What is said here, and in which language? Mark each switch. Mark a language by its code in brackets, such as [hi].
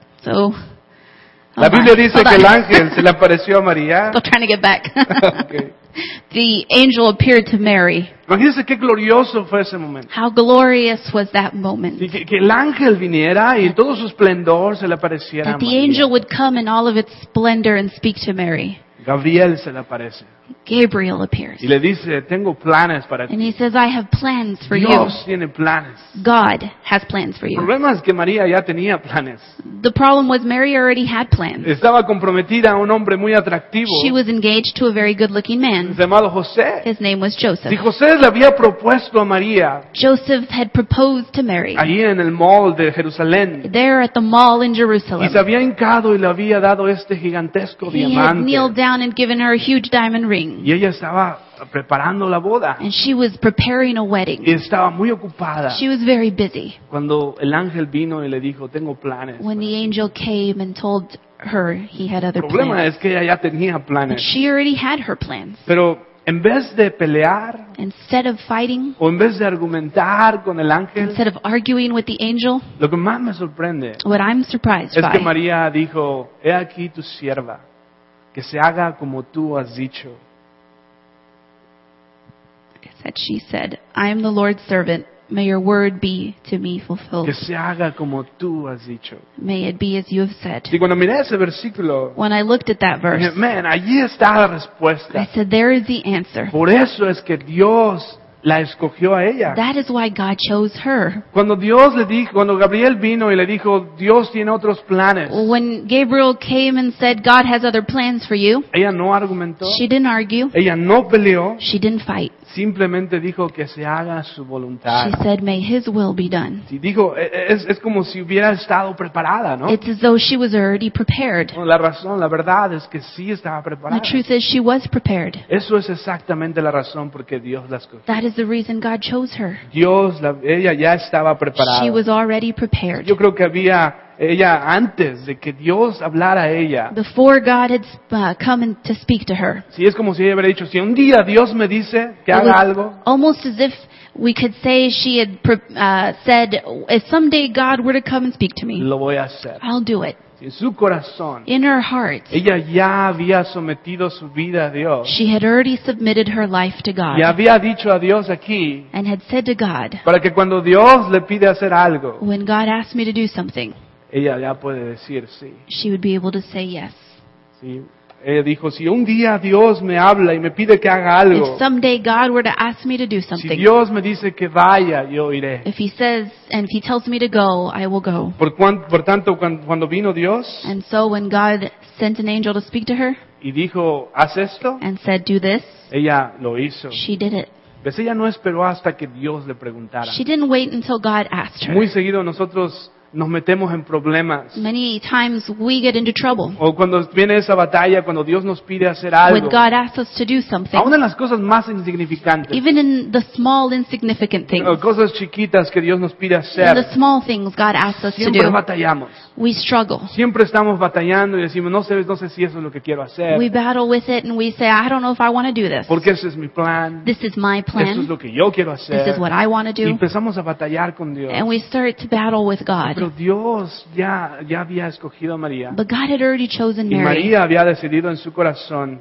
[en] So [es] la Biblia dice que el ángel se le apareció a María. [en] Still trying to get back. The angel appeared to Mary. [es] Imagínense qué glorioso fue ese momento. [en] How glorious was that moment. [es] Y que el ángel viniera y en todo su esplendor se le apareciera a María. [en] That the angel would come in all of its splendor and speak to Mary. [es] Gabriel se le aparece. [en] Gabriel appears. [es] Y le dice, tengo planes para ti. [en] And he says, I have plans for [es] Dios [en] you. [es] Dios tiene planes. [en] God has plans for you. [es] El problema es que María ya tenía planes. [en] The problem was Mary already had plans. [es] Estaba comprometida a un hombre muy atractivo. [en] She was engaged to a very good-looking man. [es] Llamado José. [en] His name was Joseph. [es] Y José le había propuesto a María. [en] Joseph had proposed to Mary. [es] Allí en el mall de Jerusalén. [en] There at the mall in Jerusalem. [es] Y se había hincado y le había dado este gigantesco [en] he [es] diamante. [en] He had kneeled down and given her a huge diamond ring. [es] Y ella estaba preparando la boda. [en] And she was preparing a wedding. [es] Y estaba muy ocupada. [en] She was very busy. [es] Cuando el ángel vino y le dijo, tengo planes. [en] When the angel came and told her he had other [es] plans. El problema [en] plans. [es] Es que ella ya tenía planes. [en] But she already had her plans. [es] Pero en vez de pelear, [en] instead of fighting, [es] o en vez de argumentar con el ángel, [en] instead of arguing with the angel, [es] lo que más me sorprende, [en] what I'm surprised [es] es [en] by, [es] que María dijo, he aquí tu sierva. Que se haga como tú has dicho. [en] That she said, I am the Lord's servant. May your word be to me fulfilled. [es] Que se haga como tú has dicho. [en] May it be as you have said. [es] Y cuando miré ese versículo, [en] when I looked at that verse, [es] dije, man, allí está la respuesta. [en] I said, there is the answer. [es] Por eso es que Dios la escogió a ella. [en] That is why God chose her. [es] Cuando Dios le dijo, cuando Gabriel vino y le dijo, Dios tiene otros planes. [en] When Gabriel came and said, God has other plans for you. [es] Ella no argumentó. [en] She didn't argue. [es] Ella no peleó. [en] She didn't fight. [es] Simplemente dijo que se haga su voluntad. [en] She said, may his will be done. [es] Sí, dijo, es como si hubiera estado preparada, ¿no? [en] It's as though she was already prepared. [es] Bueno, la razón, la verdad es que sí estaba preparada. [en] The truth is she was prepared. [es] Eso es exactamente la razón por qué Dios la escogió. [en] That is the reason God chose her. [es] Dios, ella ya estaba preparada. [en] She was already prepared. [es] Yo creo que había ella antes de que Dios hablara a ella. [en] Before God had come to speak to her. [es] Sí, es como si ella hubiera dicho, si un día Dios me dice que haga algo. [en] Almost as if we could say she had said, if someday God were to come and speak to me. [es] Lo voy a hacer. [en] I'll do it. [es] En su corazón, [en] in her heart, [es] ella ya había sometido su vida a Dios. [en] She had already submitted her life to God. [es] Y había dicho a Dios aquí, [en] and had said to God, [es] para que cuando Dios le pide hacer algo, [en] when God asked me to do something, [es] ella ya puede decir sí. [en] She would be able to say yes. [es] Sí. Ella dijo, si un día Dios me habla y me pide que haga algo, [en] if someday God were to ask me to do something, [es] si Dios me dice que vaya, yo iré. [en] If he says, and if he tells me to go, I will go. [es] Por tanto, cuando vino Dios, [en] and so when God sent an angel to speak to her, [es] y dijo, haz esto, [en] and said, do this, [es] ella lo hizo. [en] She did it. [es] Pues ella no esperó hasta que Dios le preguntara. [en] She didn't wait until God asked her. [es] Muy seguido nosotros nos metemos en problemas. [en] Many times we get into trouble. [es] O cuando viene esa batalla, cuando Dios nos pide hacer algo. [en] When God asks us to do something. [es] Aún en las cosas más insignificantes. [en] Even in the small insignificant things. [es] O cosas chiquitas que Dios nos pide hacer. [en] In the small things God asks us to do. [es] Siempre batallamos. [en] We struggle. [es] Siempre estamos batallando y decimos, no sé si eso es lo que quiero hacer. [en] We battle with it and we say, I don't know if I want to do this. [es] Porque ese es mi plan. [en] This is my plan. [es] Esto es lo que yo quiero hacer. [en] This is what I want to do. [es] Y empezamos a batallar con Dios. [en] And we start to battle with God. [es] Pero Dios ya había escogido a María. [en] But God had already chosen Mary. [es] Y María había decidido en su corazón.